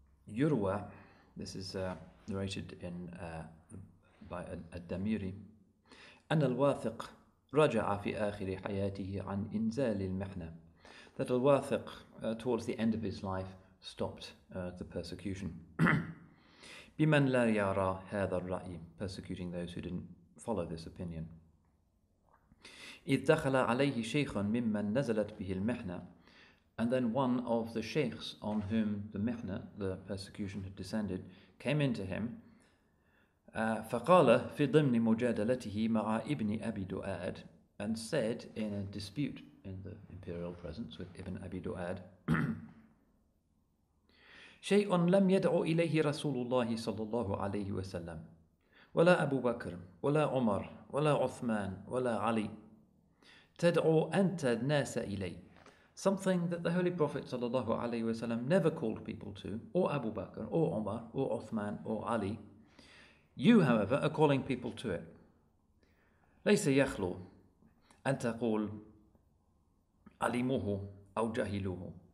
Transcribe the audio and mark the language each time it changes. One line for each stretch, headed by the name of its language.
English: Yurwa, this is narrated in by al-Damiri,
Arabic: أن الواثق رجع في آخر حياته عن إنزال المحنة.
English: That al-Wathiq, towards the end of his life, stopped the persecution.
Arabic: بمن لا يرى هذا الرأي,
English: persecuting those who didn't follow this opinion.
Arabic: إذ دخل عليه شيخ ممن نزلت به المحنة.
English: And then one of the sheikhs on whom the mihna, the persecution, had descended, came into him.
Arabic: فَقَالَ فِي ضِمْنِ مُجَادَلَتِهِ مَعَ إِبْنِ أَبِي دُؤَادِ,
English: and said in a dispute in the imperial presence with Ibn Abi Du'ad,
Arabic: شَيْءٌ لَمْ يَدْعُ إِلَيْهِ رَسُولُ اللَّهِ صَلَّى اللَّهُ عَلَيْهِ وَسَلَّمْ وَلَا أَبُو بَكْرٍ وَلَا عُمَرٍ وَلَا عُثْمَانٍ وَلَا عَلِي تَدْعُ أَنْتَ النَّاسَ إِلَيْهِ.
English: Something that the Holy Prophet ﷺ never called people to, or Abu Bakr, or Umar, or Uthman, or Ali. You, however, are calling people to it.
Arabic: لَيْسَ يَخْلُوْ أَن تَقُولْ عَلِمُهُ أَوْ جَهِلُهُ.